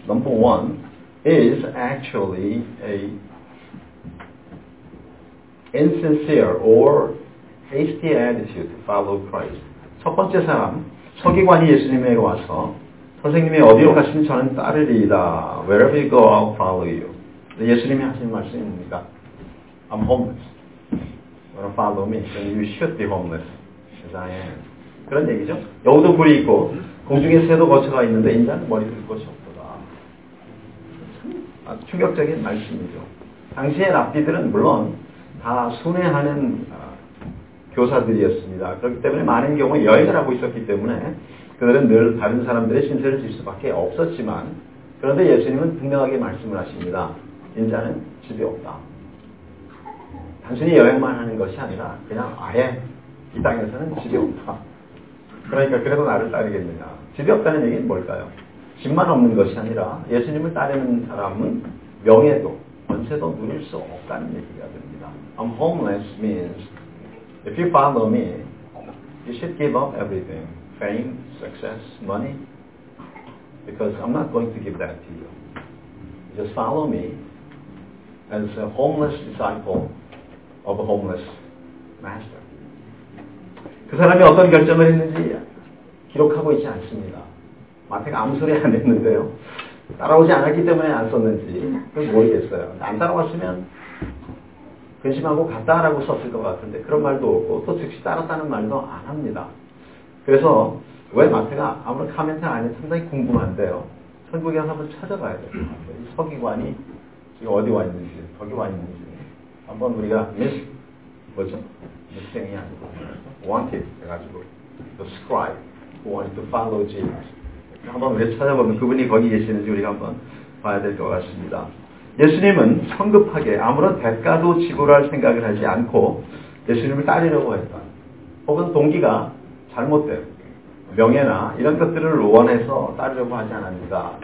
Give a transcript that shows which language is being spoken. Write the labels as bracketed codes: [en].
[en] Number one is actually a insincere or hasty attitude to follow Christ. [ko] 첫 번째 사람, 서기관이 예수님에게 와서 선생님이 어디로 가시는지 저는 따르리이다. [en] Wherever you go, I'll follow you. [ko] 예수님이 하신 말씀입니다. [en] I'm homeless. You want to follow me? Then you should be homeless as I am. [ko] 그런 얘기죠. 여우도 불이 있고 공중에 새도 거처가 있는데 인자는 머리 들 것이 없도다. 아, 충격적인 말씀이죠. 당시의 랍비들은 물론 다 순회하는 교사들이었습니다. 그렇기 때문에 많은 경우 여행을 하고 있었기 때문에 그들은 늘 다른 사람들의 신세를 질 수밖에 없었지만 그런데 예수님은 분명하게 말씀을 하십니다. 인자는 집이 없다. 단순히 여행만 하는 것이 아니라 그냥 아예 이 땅에서는 집이 없다. 그러니까 그래도 나를 따르겠느냐. 집이 없다는 얘기는 뭘까요? 집만 없는 것이 아니라 예수님을 따르는 사람은 명예도 권세도 누릴 수 없다는 얘기가 됩니다. [en] I'm homeless means if you follow me, you should give up everything. Fame, success, money. Because I'm not going to give that to you. Just follow me as a homeless disciple of a homeless master. [ko] 그 사람이 어떤 결정을 했는지 기록하고 있지 않습니다. 마태가 아무 소리 안 했는데요. 따라오지 않았기 때문에 안 썼는지 모르겠어요. 안 따라왔으면 근심하고 갔다라고 썼을 것 같은데 그런 말도 없고 또 즉시 따랐다는 말도 안 합니다. 그래서 왜 마태가 아무런 카멘트 안 해도 상당히 궁금한데요. 천국에 한번 찾아봐야 될 것 같아요. 이 서기관이 지금 어디 와 있는지, 거기 와 있는지 한번 우리가 뭐죠? 미생이 아니고 [en] wanted [ko] 해가지고 [en] the scribe who wanted to follow Jesus [ko] 한번 왜 찾아보면 그분이 거기 계시는지 우리가 한번 봐야 될 것 같습니다. 예수님은 성급하게 아무런 대가도 지불할 생각을 하지 않고 예수님을 따르려고 했다. 혹은 동기가 잘못된 명예나 이런 것들을 원해서 따르려고 하지 않았는가.